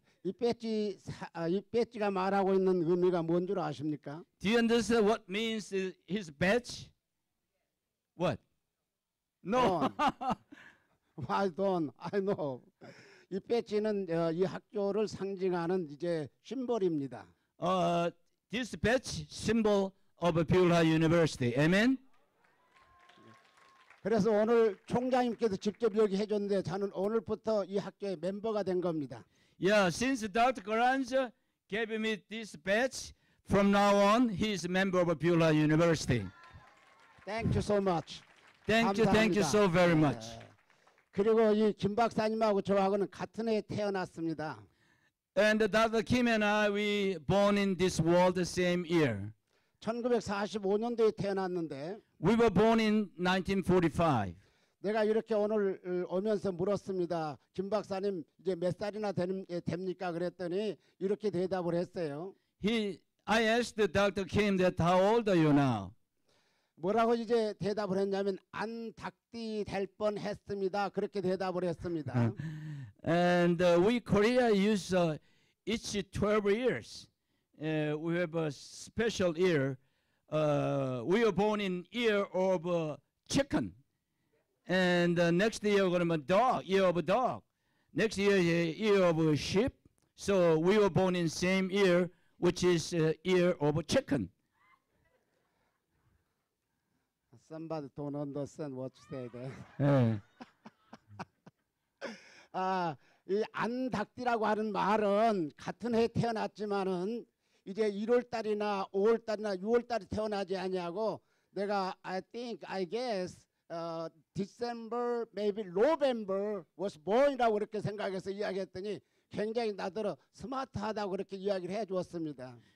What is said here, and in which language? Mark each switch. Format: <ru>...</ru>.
<ko>이 배지 이 배지가 말하고 있는 의미가 뭔 줄 아십니까?</ko> <en>Do you understand what means his badge? What? No. Why don't I know?</en> <ko>이 배지는 이 학교를 상징하는 이제 심볼입니다.</ko> <en>This badge symbol of Beulah University. Amen.</en> <ko>그래서 오늘 총장님께서 직접 여기 해줬는데 저는 오늘부터 이 학교의 멤버가 된 겁니다.</ko> <en>Yeah, since Dr. Carranza gave me this badge, from now on, he is a member of Beulah University. Thank you so much. Thank you so very much.</en> <ko>그리고 이 김 박사님하고 저하고는 같은 해에 태어났습니다.</ko> <en>And Dr. Kim and I, we born in this world the same year.</en> <ko>1945년도에 태어났는데</ko> <en>We were born in 1945.</en> <ko>내가 이렇게 오늘 오면서 물었습니다. 김 박사님 이제 몇 살이나 됩니까? 그랬더니 이렇게 대답을 했어요.</ko> <en>I asked Dr. Kim that how old are you now?</en> <ko>뭐라고 이제 대답을 했냐면 안 닭띠 될 뻔 했습니다. 그렇게 대답을 했습니다.</ko> <en>And we Korea use each 12 years. We have a special year. We are born in year of chicken. And next year we're going to be dog, year of a dog. Next year is year of a sheep. So we were born in same year, which is year of a chicken. Somebody don't understand what you say there.</en> <ko>아, 이 안 닭띠라고 하는 말은 같은 해 태어났지만은 이제 1월 달이나 5월 달이나 6월 달에 태어나지 아니하고 내가</ko> <en>I guess December maybe November was born</en> <ko>이라고 그렇게 생각해서 이야기했더니 굉장히 나더러 스마트하다고 그렇게 이야기를 해 주었습니다.</ko>